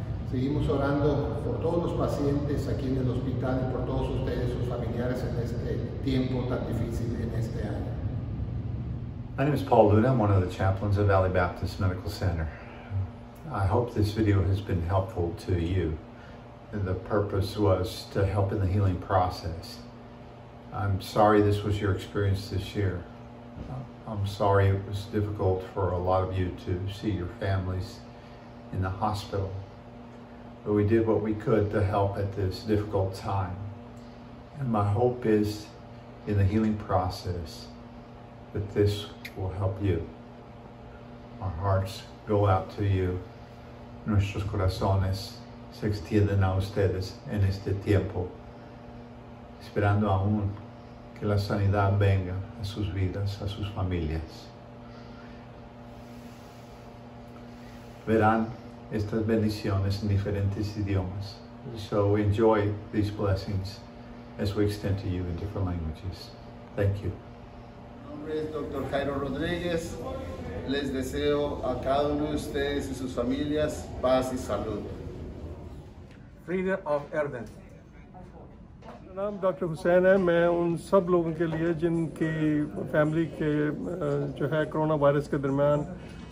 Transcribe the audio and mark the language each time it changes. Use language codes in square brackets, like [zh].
[es] Seguimos orando por todos los pacientes aquí en el hospital y por todos ustedes, sus familiares, en este tiempo tan difícil en este año. [en] My name is Paul Luna. I'm one of the chaplains of Valley Baptist Medical Center. I hope this video has been helpful to you. The purpose was to help in the healing process. I'm sorry this was your experience this year. I'm sorry it was difficult for a lot of you to see your families in the hospital. But we did what we could to help at this difficult time. And my hope is in the healing process that this will help you. Our hearts go out to you. [es] Nuestros corazones se extienden a ustedes en este tiempo, esperando aún que la sanidad venga a sus vidas, a sus familias. Verán estas bendiciones en diferentes idiomas. [en] So enjoy these blessings as we extend to you in different languages. Thank you. [es] Dr. Jairo Rodríguez, les deseo a cada uno de ustedes y sus familias paz y salud. [de] Frieden auf Erden. Mein Name ist Dr. Hussein. Ich bin für alle Leute, die in der Familie verloren haben, Coronavirus, die ihre Leben verloren haben,